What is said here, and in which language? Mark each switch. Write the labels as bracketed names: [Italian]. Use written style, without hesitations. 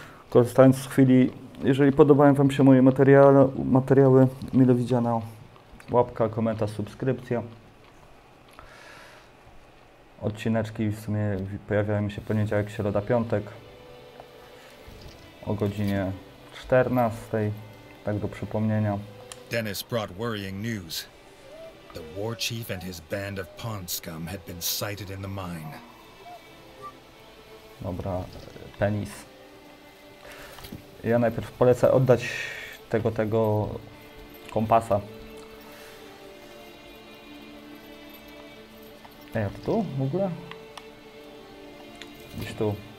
[Polish] Korzystając z chwili, jeżeli podobają wam się moje materiały, mile widziane, łapka, komentarz, subskrypcja. Odcineczki w sumie pojawiają się poniedziałek, środa, piątek o godzinie 14, tak do przypomnienia. [English] Dennis brought worrying news. The war chief and his band of pawn scum had been sighted in the mine. [Polish] Dobra, Dennis. Ja najpierw polecę oddać tego kompasa. Ej, a to tu w ogóle? Gdzieś tu.